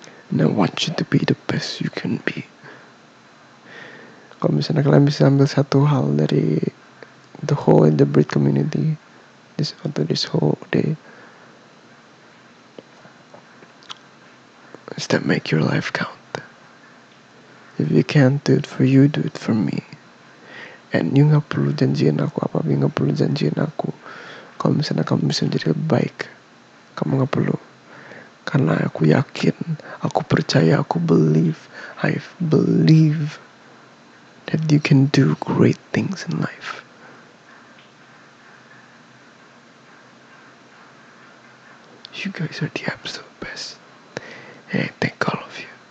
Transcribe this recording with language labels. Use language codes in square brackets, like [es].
[en] And I want you to be the best you can be. [id] Kalau misalnya kalian bisa ambil satu hal dari [en] the whole in the breed community this after this whole day, is that make your life count. If you can't do it for you, do it for me. [id] And you gak perlu janjiin aku apa, you gak perlu janjiin aku kalau misalnya kamu bisa menjadi lebih baik. Kamu gak perlu. Karena aku yakin, aku percaya, aku [en] believe, I believe that you can do great things in life. You guys are the absolute best. And I thank all of you.